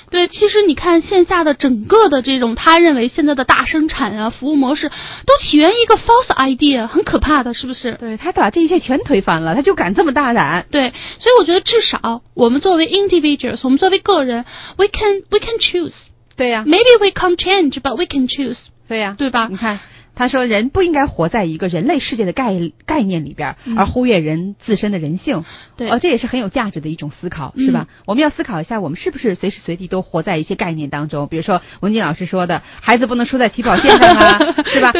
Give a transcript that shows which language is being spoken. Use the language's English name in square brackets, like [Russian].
[Chinese] 对，其实你看线下的整个的这种他认为现在的大生产啊、服务模式，都起源于一个 [English] false idea, [Chinese] 很可怕的，是不是？对，他把这一切全推翻了，他就敢这么大胆。对，所以我觉得至少我们作为 individuals, 我们作为个人 ， [English] we can choose。 [Chinese] 对呀、啊、 [English] ，maybe we can't change, but we can choose。 [Chinese] 对呀、啊，对吧？你看，他说人不应该活在一个人类世界的概念里边、嗯，而忽略人自身的人性。对，这也是很有价值的一种思考，是吧、嗯？我们要思考一下，我们是不是随时随地都活在一些概念当中？比如说文静老师说的，孩子不能输在起跑线上啊，是吧？